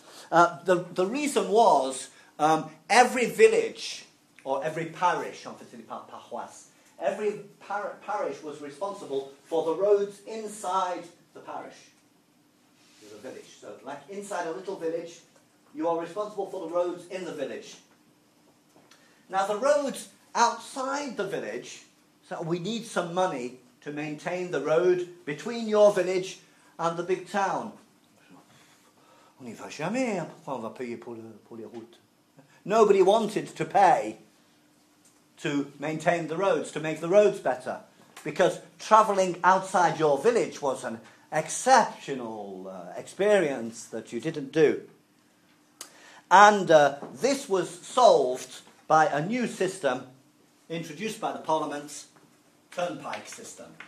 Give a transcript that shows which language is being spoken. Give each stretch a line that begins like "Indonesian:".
English: The reason was, every village, or every parish,
French: en fait, c'est des paroisses,
English: every parish was responsible for the roads inside the parish. The village. So, like, inside a little village... You are responsible for the roads in the village. Now, the roads outside the village, so we need some money to maintain the road between your village and the big town.
French: On n'y va jamais, pourquoi on va payer pour les routes?
English: Nobody wanted to pay to maintain the roads, to make the roads better, because travelling outside your village was an exceptional experience that you didn't do. And this was solved by a new system introduced by the Parliament, turnpike system.